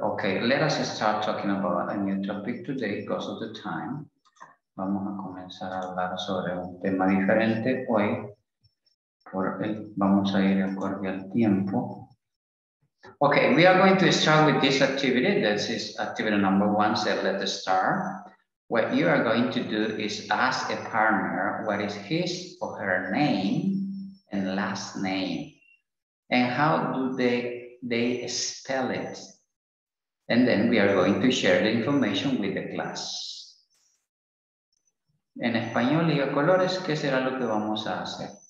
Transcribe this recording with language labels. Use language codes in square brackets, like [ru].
[en] Okay, let us start talking about a new topic today because of the time. [es] Vamos a comenzar a hablar sobre un tema diferente hoy porque vamos a ir acorde al tiempo. [en] Okay, we are going to start with this activity. This is activity number one, so let's start. What you are going to do is ask a partner what is his or her name and last name, and how do they spell it. And then we are going to share the information with the class. [es] En español y a colores, ¿qué será lo que vamos a hacer?